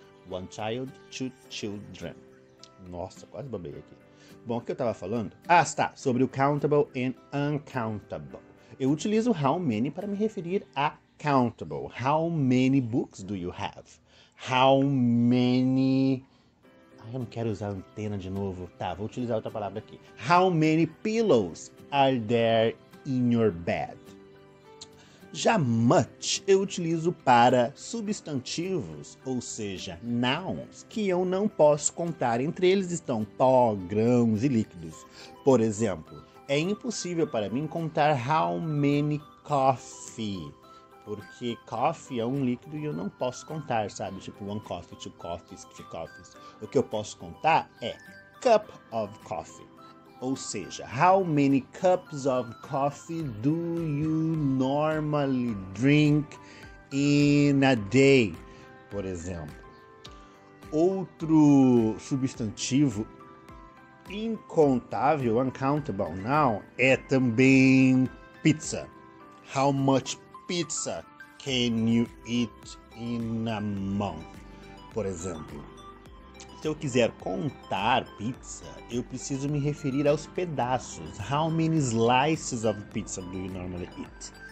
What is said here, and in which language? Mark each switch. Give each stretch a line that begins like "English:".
English: One child, two children.
Portuguese: Nossa, quase babei aqui. Bom, o que eu tava falando? Ah, tá, sobre o countable and uncountable. Eu utilizo how many para me referir a countable.
English: How many books do you have? How many...
Portuguese: Ai, eu não quero usar antena de novo. Tá, vou utilizar outra palavra aqui.
English: How many pillows are there in your bed?
Portuguese: Já much eu utilizo para substantivos, ou seja, nouns, que eu não posso contar. Entre eles estão pó, grãos e líquidos. Por exemplo... É impossível para mim contar
English: how many coffee,
Portuguese: porque coffee é um líquido e eu não posso contar, sabe? Tipo,
English: one coffee, two coffees, three coffees.
Portuguese: O que eu posso contar é
English: cup of coffee.
Portuguese: Ou seja,
English: how many cups of coffee do you normally drink in a day,
Portuguese: por exemplo. Outro substantivo incontável, uncountable noun, é também pizza.
English: How much pizza can you eat in a month,
Portuguese: por exemplo. Se eu quiser contar pizza, eu preciso me referir aos pedaços.
English: How many slices of pizza do you normally eat?